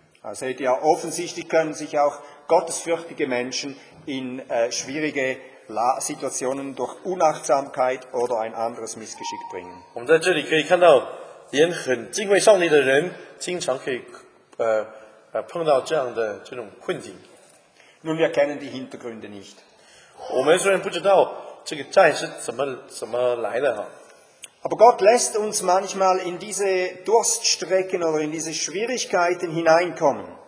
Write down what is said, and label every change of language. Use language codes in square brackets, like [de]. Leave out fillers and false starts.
[de] Also, die offensichtlich können sich auch gottesfürchtige Menschen in schwierige Situationen durch Unachtsamkeit oder ein anderes Missgeschick bringen. [zh] 我们在这里可以看到，连很敬畏上帝的人，经常可以碰到这样的这种困境。 [de] Nun, wir kennen die Hintergründe nicht. [zh] 我们虽然不知道这个债是怎么来的哈。 [de] Aber Gott lässt uns manchmal in diese Durststrecken oder in diese Schwierigkeiten hineinkommen.